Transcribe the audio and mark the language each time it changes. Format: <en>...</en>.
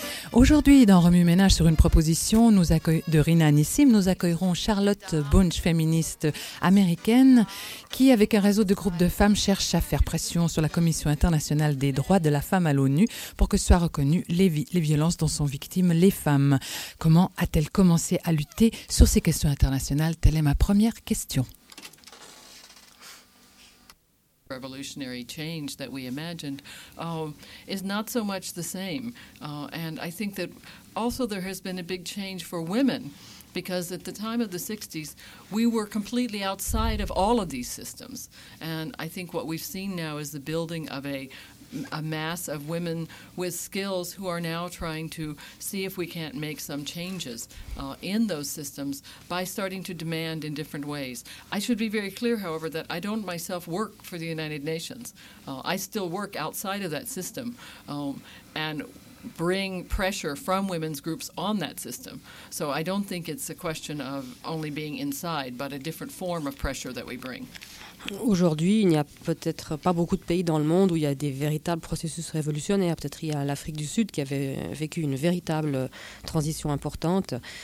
<fr>Aujourd'hui, dans Remue Ménage, sur une proposition de Rina Nissim, nous accueillerons Charlotte Bunch, féministe américaine, qui, avec un réseau de groupes de femmes, cherche à faire pression sur la Commission internationale des droits de la femme à l'ONU pour que soient reconnues les violences dont sont victimes les femmes. Comment a-t-elle commencé à lutter sur ces questions internationales ? Telle est ma première question.</fr> <en>Revolutionary change that we imagined is not so much the same. And I think that also there has been a big change for women, because at the time of the 60s, we were completely outside of all of these systems. And I think what we've seen now is the building of a mass of women with skills who are now trying to see if we can't make some changes in those systems by starting to demand in different ways. I should be very clear, however, that I don't myself work for the United Nations. I still work outside of that system and bring pressure from women's groups on that system. So I don't think it's a question of only being inside, but a different form of pressure that we bring.</en> <fr>Aujourd'hui, il n'y a peut-être pas beaucoup de pays dans le monde où il y a des véritables processus révolutionnaires. Peut-être il y a l'Afrique du Sud qui avait vécu une véritable transition importante.</fr>